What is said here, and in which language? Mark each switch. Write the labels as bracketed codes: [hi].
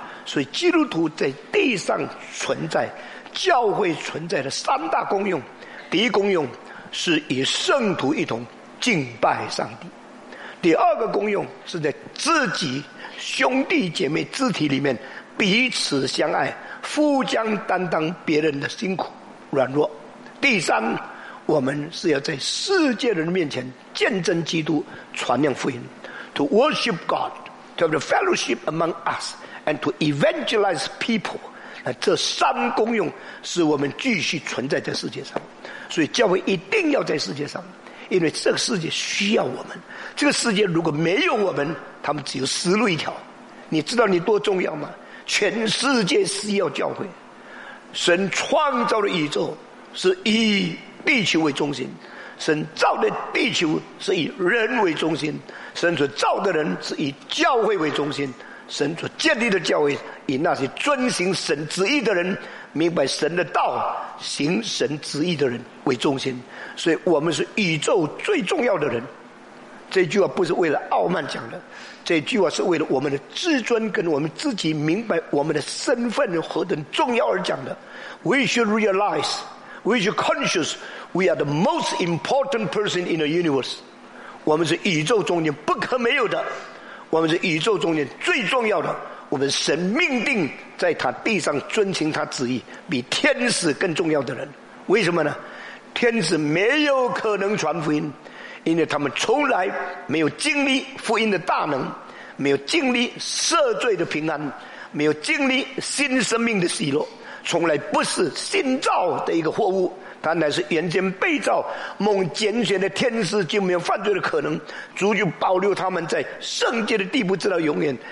[zh] 所以基督徒在地上存在，教会存在的三大功用，第一功用是与圣徒一同敬拜上帝，第二个功用是在自己兄弟姐妹肢体里面彼此相爱，互相担当别人的辛苦软弱，第三我们是要在世界人面前见证基督，传扬福音。 [en] To worship God, to have the fellowship among us, and to evangelize people. [zh] 那这三功用是我们继续存在在世界上。所以教会一定要在世界上，因为这个世界需要我们。这个世界如果没有我们，他们只有死路一条。你知道你多重要吗？全世界需要教会。神创造的宇宙是以地球为中心，神造的地球是以人为中心，神所造的人是以教会为中心，神所建立的教会以那些遵行神旨意的人，明白神的道，行神旨意的人为中心。所以我们是宇宙最重要的人，这句话不是为了傲慢讲的，这句话是为了我们的自尊跟我们自己明白我们的身份何等重要而讲的。 [en] We should realizeWe are conscious we are the most important person in the universe. [zh] 我们是宇宙中间不可没有的，我们是宇宙中间最重要的，我们神命定在他地上遵行他旨意，比天使更重要的人。为什么呢？天使没有可能传福音，因为他们从来没有经历福音的大能，没有经历赦罪的平安，没有经历新生命的喜乐，从来不是新造的一个货物，他乃是原先被造蒙拣选的天使，就没有犯罪的可能，主就保留他们在圣洁的地步直到永远。